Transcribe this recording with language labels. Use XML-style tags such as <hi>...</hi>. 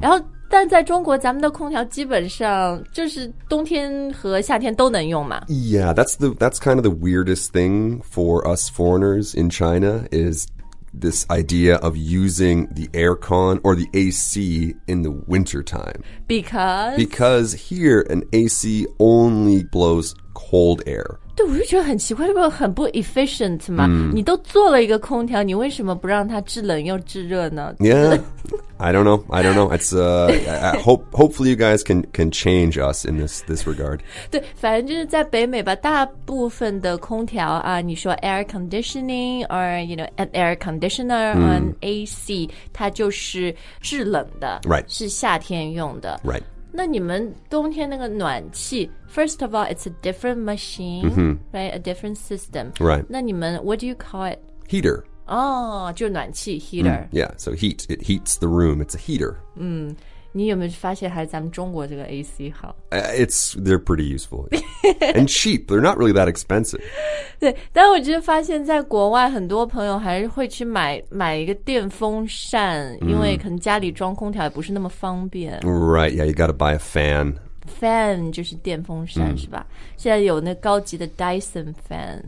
<zh>然后但在中国咱们的空调基本上就是冬天和夏天都能用嘛。</zh> <en>Yeah, that's kind of the weirdest thing for us foreigners in China is this idea of using the aircon or the AC in the wintertime. Because here, an AC only blows cold air.</en> <zh>对我就觉得很奇怪是不是很不 efficient 嘛、mm. 你都做了一个空调你为什么不让它制冷又制热呢</zh> <en>Yeah, I don't know. It's, hopefully you guys can change us in this regard.</en> <zh>对反正就是在北美吧大部分的空调啊你说</zh> <en>air conditioning or, you know, an air conditioner or an AC,</en> <zh>它就是制冷的</zh> <en>Right.</en> <zh>是夏天用的</zh> <en>Right.</en> <zh>那你们冬天那个暖气</zh> <en>First of all, it's a different machine、 mm-hmm. Right, a different system Right</en> <zh>那你们</zh> <en>what do you call it? Heater</en> <zh>哦、oh, 就暖气 heater、</zh> <en>mm, Yeah, so heat, it heats the room, it's a heater</en> <zh>嗯你有没有发现还是咱们中国这个 AC 好、</zh> <en>They're pretty useful And cheap, they're not really that expensive</en> <zh>对但我就发现在国外很多朋友还是会去买一个电风扇、mm. 因为可能家里装空调也不是那么方便</zh> <en>Right, yeah, you gotta buy a fan</en> <zh>Fan 就是电风扇、mm. 是吧现在有那高级的 Dyson fan</zh>